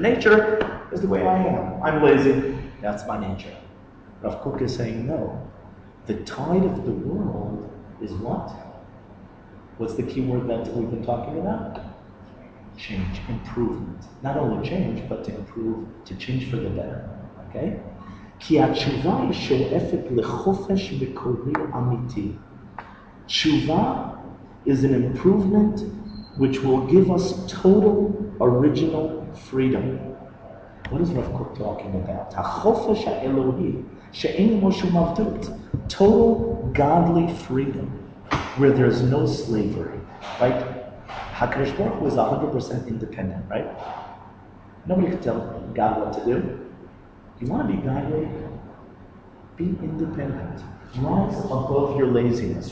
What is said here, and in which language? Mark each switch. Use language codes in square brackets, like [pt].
[en] Nature is the way I am. I'm lazy. That's my nature. Rav Kook is saying, no. The tide of the world is what? What's the key word that we've been talking about? Change, improvement. Not only change, but to improve, to change for the better. Okay? [he] כי התשובה היא שואפת לחופש מקורי אמיתי. [en] תשובה is an improvement which will give us total original freedom. What is Rav Kook talking about? [he] החופש האלוהי, שאין משהו מבטות. [en] Total godly freedom, where there's no slavery. Right? HaKadosh Baruch Hu is 100% independent, right? Nobody can tell God what to do. You want to be guided? Be independent. Rise above your laziness.